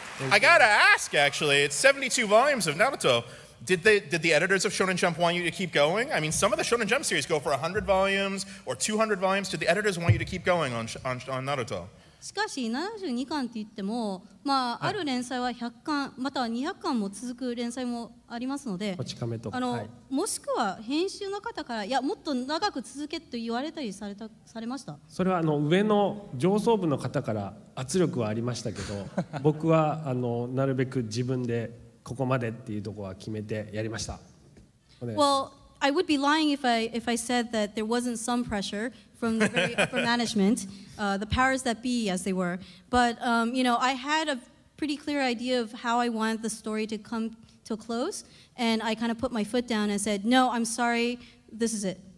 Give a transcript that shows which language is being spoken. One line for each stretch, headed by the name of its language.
English: I gotta ask, actually, it's 72 volumes of Naruto. Did the editors of Shonen Jump want you to keep going? I mean, some of the Shonen Jump series go for 100 volumes or 200 volumes. Did the editors want you to keep going on Naruto?
Japanese: しかし 72巻って言っても ある 連載は 100巻 または 200巻も 続く 連載も ありますので もしくは 編集の方から いや もっと 長く 続け と 言われたり されましたそれは 上の 上層部の 方から 圧力は ありましたけど 僕は なるべく 自分で ここまで っていう とこは 決めて やりました
English: Well, I would be lying if I said that there wasn't some pressure from the very upper management, the powers that be, as they were. But, you know, I had a pretty clear idea of how I wanted the story to come to a close, and I kind of put my foot down and said, no, I'm sorry, this is it.